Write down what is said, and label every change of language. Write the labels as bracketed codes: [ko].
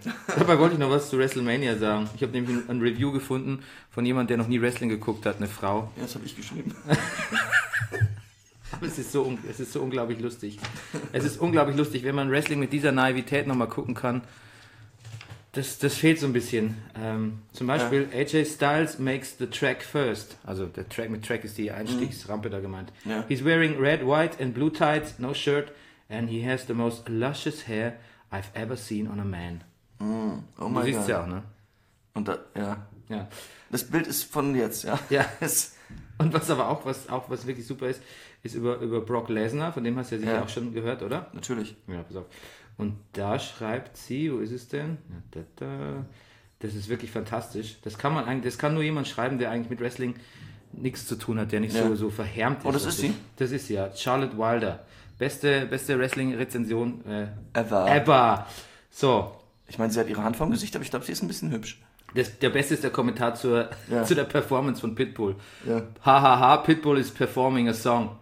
[de] Dabei wollte ich noch was zu WrestleMania sagen. Ich habe nämlich ein Review gefunden von jemand, der noch nie Wrestling geguckt hat. Eine Frau. Ja, das habe ich geschrieben. Aber es ist so unglaublich lustig. Es ist unglaublich lustig, wenn man Wrestling mit dieser Naivität nochmal gucken kann. Das fehlt so ein bisschen. Zum Beispiel ja. [en] AJ Styles makes the track first. [de] Also der Track mit Track ist die Einstiegsrampe da gemeint. Ja. [en] He's wearing red, white and blue tights, no shirt and he has the most luscious hair I've ever seen on a man. Mm. Oh my God. [de] Du siehst es ja auch, ne? Und da, ja. Ja. Das Bild ist von jetzt, ja. Ja. Und was wirklich super ist, ist über Brock Lesnar, von dem hast du ja sicher auch schon gehört, oder? Natürlich. Ja, pass auf. Und da schreibt sie, wo ist es denn? Ja, das ist wirklich fantastisch. Das kann man eigentlich, das kann nur jemand schreiben, der eigentlich mit Wrestling nichts zu tun hat, der nicht so verhärmt ist. Oh, das ist sie? Das ist sie, ja. Charlotte Wilder. Beste Wrestling-Rezension [en] ever. Ever. So. [de] Ich meine, sie hat ihre Hand vorm Gesicht, aber ich glaube, sie ist ein bisschen hübsch. Der Beste ist der Kommentar zu der Performance von Pitbull. [en] Yeah. Ha ha ha, Pitbull is performing a song.